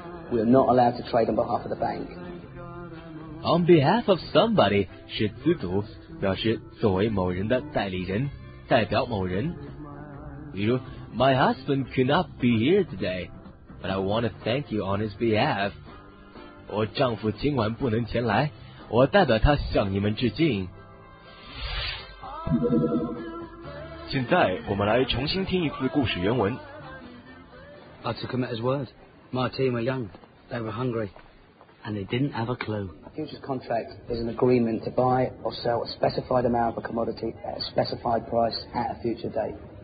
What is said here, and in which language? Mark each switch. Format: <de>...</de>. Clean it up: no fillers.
<en>We are not allowed to trade on behalf of the bank. On behalf of somebody,</en> <zh>是资读，表示作为某人的代理人，代表某人。</zh> <en>比如 My husband could not be here today. But I want to thank you on his behalf.</en> <zh>我丈夫今晚不能前来，我代表他向你们致敬。现在我们来重新听一次故事原文。</zh> <en>I took him at his word. My team were young, they were hungry, and they didn't have a clue. A futures contract is an agreement to buy or sell a specified amount of a commodity at a specified price at a future date.</en>